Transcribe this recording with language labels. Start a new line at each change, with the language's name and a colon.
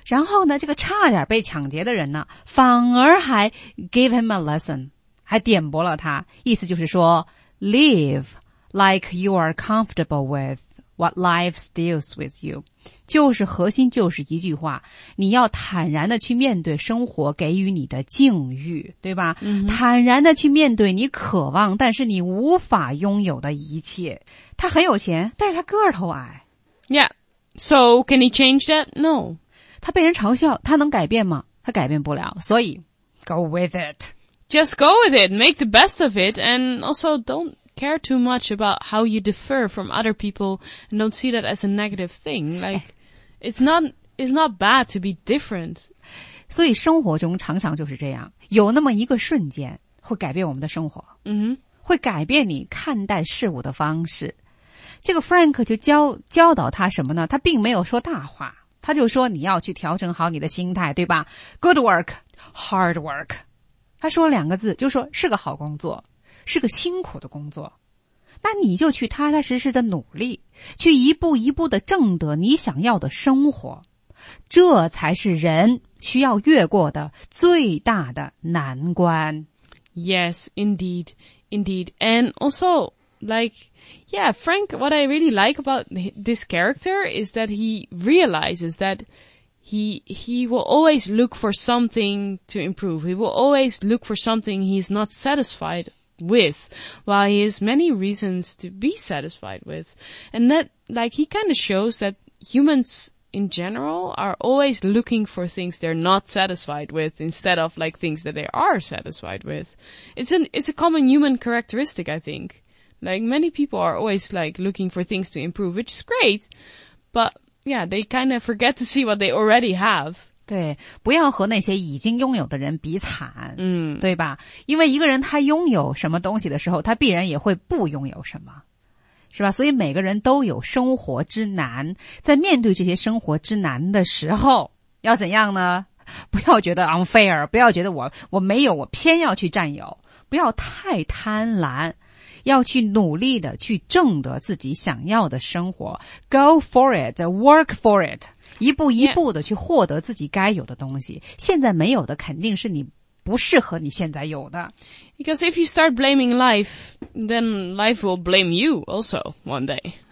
Chinese: 然后呢，这个差点被抢劫的人呢，反而还
English: give him a lesson，
Chinese: 还点拨了他，意思就是说
English: live like you are comfortable with what life deals with you，
Chinese: 就是核心就是一句话，你要坦然的去面对生活给予你的境遇，对吧？ Mm-hmm. 坦然的去面对你渴望但是你无法拥有的一切。他很有钱，但是他个头矮。
English: Yeah, so can he change that? No.
Chinese: 他被人嘲笑，他能改变吗？他改变不了，所以
English: go with it. Just go with it, make the best of it, and also don't... care too much about how you differ from other people and don't see that as a negative thing. Like, it's not bad to be different.
Chinese: 所以生活中常常就是这样，有那么一个瞬间会改变我们的生活，会改变你看待事物的方式。这个 Frank 就教导他什么呢？他并没有说大话，他就说你要去调整好你的心态，对吧？
English: Good work, hard work.
Chinese: 他说两个字，就说是个好工作。是个辛苦的工作，那你就去踏踏实实的努力，去一步一步的挣得你想要的生活，这才是人需要越过的最大的难关。
English: Yes, indeed, indeed. And also, like, yeah, Frank, what I really like about this character is that he realizes that he will always look for something to improve. He will always look for something he's not satisfied with, while he has many reasons to be satisfied with. And that, like, he kind of shows that humans in general are always looking for things they're not satisfied with instead of, like, things that they are satisfied with. It's a common human characteristic, I think. Like, many people are always, like, looking for things to improve, which is great, but, yeah, they kind of forget to see what they already have.
Chinese: 对，不要和那些已经拥有的人比惨，嗯，对吧？因为一个人他拥有什么东西的时候，他必然也会不拥有什么，是吧？所以每个人都有生活之难，在面对这些生活之难的时候，要怎样呢？不要觉得 unfair， 不要觉得我没有，我偏要去占有，不要太贪婪，要去努力的去挣得自己想要的生活。
English: Go for it, work for it.
Chinese: 一步一步的去获得自己该有的东西。
English: Yeah.
Chinese: 现在没有的肯定是你不适合你现在有的。
English: Because if you start blaming life, then life will blame you also one day.